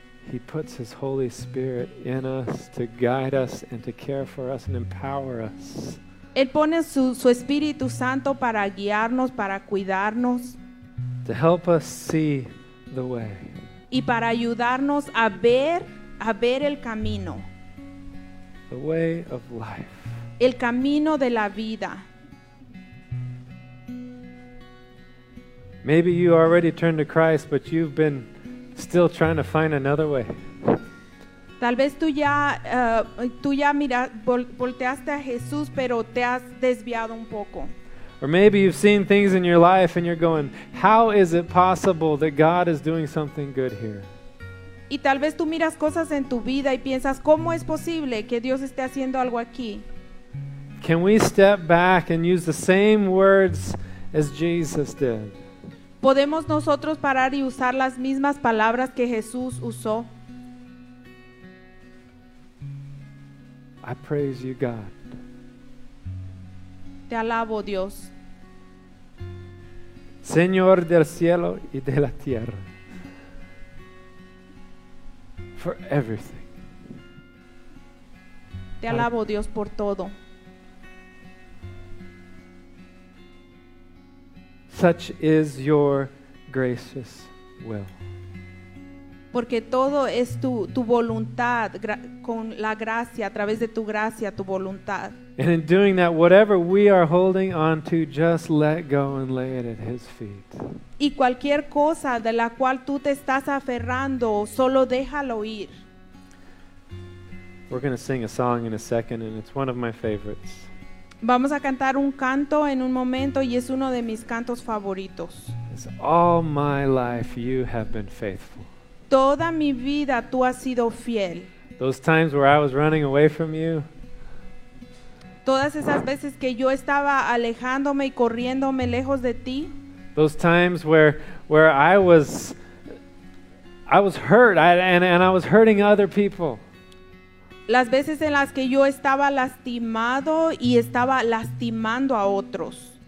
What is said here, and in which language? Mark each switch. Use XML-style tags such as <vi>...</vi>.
<en>He puts His Holy Spirit in us to guide us and to care for us and empower us.</en> <es>Él pone su Espíritu Santo para guiarnos, para cuidarnos.</es> <en>To help us see the way.</en> <es>Y para ayudarnos a ver el camino.</es> <en>The way of life.</en> <es>El camino de la vida.</es> <en>Maybe you already turned to Christ, but you've been still trying to find another way.</en> <es>Tal vez tú ya volteaste a Jesús, pero te has desviado un poco.</es> <en>Or maybe you've seen things in your life and you're going, how is it possible that God is doing something good here?</en> <es>Y tal vez tú miras cosas en tu vida y piensas, ¿cómo es posible que Dios esté haciendo algo aquí?</es> <en>Can we step back and use the same words as Jesus did?</en> <es>¿Podemos nosotros parar y usar las mismas palabras que Jesús usó?</es> <en>I praise you, God.</en> <es>Te alabo, Dios. Señor del cielo y de la tierra.</es> <en>For everything.</en> <es>Te alabo, Dios, por todo.</es> <en>Such is your gracious will.</en> <es>Porque todo es tu voluntad, con la gracia, a través de tu gracia, tu voluntad.</es> <en>And in doing that, whatever we are holding on to, just let go and lay it at His feet.</en> <es>Y cualquier cosa de la cual tú te estás aferrando, solo déjalo ir.</es> <en>We're going to sing a song in a second, and it's one of my favorites.</en> <es>Vamos a cantar un canto en un momento y es uno de mis cantos favoritos.</es> <en>It's all my life you have been faithful.</en> <es>Toda mi vida tú has sido fiel.</es> <en>Those times where I was running away from you.</en> <es>Todas esas veces que yo estaba alejándome y corriéndome lejos de ti.</es> <en>Those times where I was hurt and I was hurting other people.</en> <es>Las veces en las que yo estaba lastimado y estaba lastimando a otros.</es>